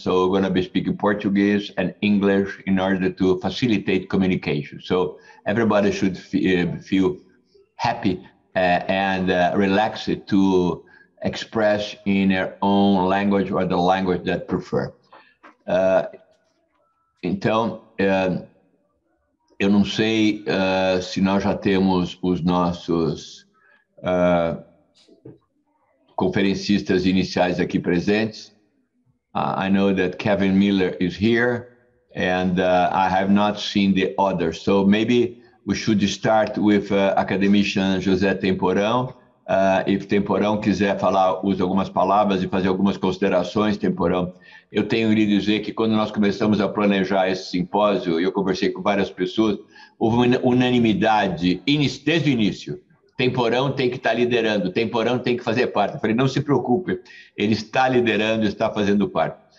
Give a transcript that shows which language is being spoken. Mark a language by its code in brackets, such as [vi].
[en] So we're gonna be speaking Portuguese and English in order to facilitate communication. So everybody should feel happy and relaxed to express in their own language or the language that prefer. [pt] Então, eu não sei se nós já temos os nossos conferencistas iniciais aqui presentes. [en] I know that Kevin Miller is here, and I have not seen the others. So maybe we should start with academician José Temporão. [pt] If Temporão quiser falar, usa algumas palavras e fazer algumas considerações, Temporão. Eu tenho lhe dizer que quando nós começamos a planejar esse simpósio, eu conversei com várias pessoas, houve uma unanimidade desde o início. Temporão tem que estar liderando, Temporão tem que fazer parte. Eu falei, não se preocupe, ele está liderando, está fazendo parte.